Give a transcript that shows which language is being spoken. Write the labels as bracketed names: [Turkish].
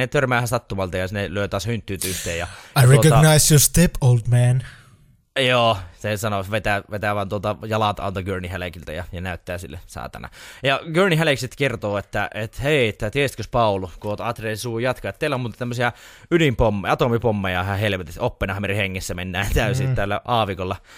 [Finnish] Ne törmää ihan sattumalta ja ne lyö taas hynttyyt yhteen. [English] I recognize your step, old man. [Finnish] Joo, se sanoo, vetää vaan tuota jalat alta Gurney Halleckiltä ja näyttää sille saatana. Ja Gurney Halleck sitten kertoo, että hei, että tiesitkös Paulu, kun oot Atreides suun jatkaa, että teillä on muuten tämmöisiä ydinpommeja, atomipommeja, ihan helvetissä, Oppenheimerin hengissä mennään täysin täällä aavikolla.